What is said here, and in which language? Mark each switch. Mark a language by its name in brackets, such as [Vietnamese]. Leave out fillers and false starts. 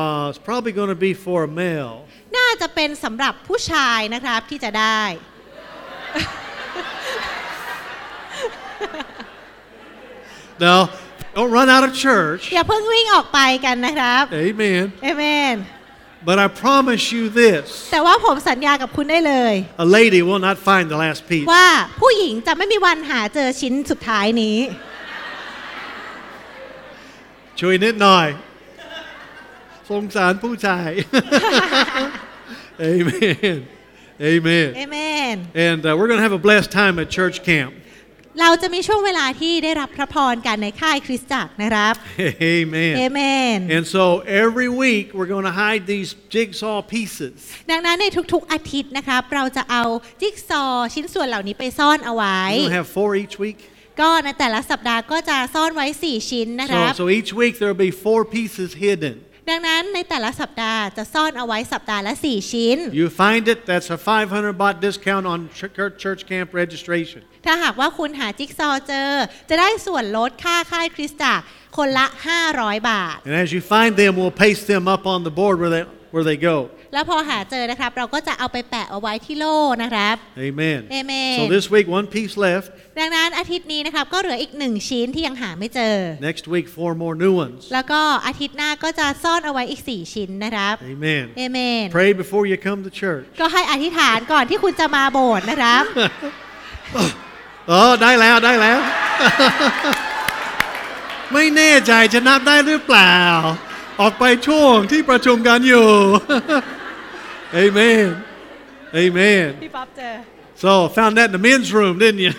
[English] It's probably going to be for a male. [Thai] น่าจะเป็นสำหรับผู้ชายนะครับที่จะได้ [English] No, don't run out of church. [Thai] อย่าเพิ่งวิ่งออกไปกันนะครับ [English] Amen. Amen. But I promise you this. [Thai] แต่ว่าผมสัญญากับคุณได้เลย [English] A lady will not find the last piece. [Thai] ว่าผู้หญิงจะไม่มีวันหาเจอชิ้นสุดท้ายนี้ช่วยนิดหน่อยสงสารผู้ชาย Amen. [English] Amen. Amen. And we're going to have a blessed time at church camp. [Thai] เราจะมีช่วงเวลาที่ได้รับพระพรกันในค่ายคริสตจักรนะครับ [English] Amen. Amen. And so every week we're going to hide these jigsaw pieces. [Thai] ดังนั้นในทุกๆอาทิตย์นะครับเราจะเอาจิ๊กซอชิ้นส่วนเหล่านี้ไปซ่อนเอาไว้ [English] We'll have four each week. [Thai] ก็ในแต่ละสัปดาห์ก็จะซ่อนไว้4ชิ้นนะครับ [English] So each week there will be four pieces hidden. [Thai] ดังนั้นในแต่ละสัปดาห์จะซ่อนเอาไว้สัปดาห์ละ4ชิ้น [English] You find it that's a 500 baht discount on church camp registration [Thai] ถ้าหากว่าคุณหาจิ๊กซอเจอจะได้ส่วนลดค่าค่ายคริสตจักรคนละ500บาท [English] And as you find them we'll paste them up on the board where they go [Thai] แล้วพอหาเจอนะครับเราก็จะเอาไปแปะเอาไว้ที่โล่นะครับ [English] Amen Amen So this week one piece left [Thai] ดังนั้นอาทิตย์นี้นะครับก็เหลืออีก1ชิ้นที่ยังหาไม่เจอ [English] Next week four more new ones [Thai] แล้วก็อาทิตย์หน้าก็จะซ่อนเอาไว้อีก4ชิ้นนะครับ [English] Amen Amen Pray before you come to church [Thai] ก็ให้อธิษฐานก่อนที่คุณจะมาโบสถ์นะครับ โอ้ได้แล้วได้แล้วไม่แน่ใจจะนับได้หรือเปล่าออกไปช่วงที่ประชุมกันอยู่ Amen Amen พี่ป๊อปเจอ [English] So found that in the men's room, didn't you?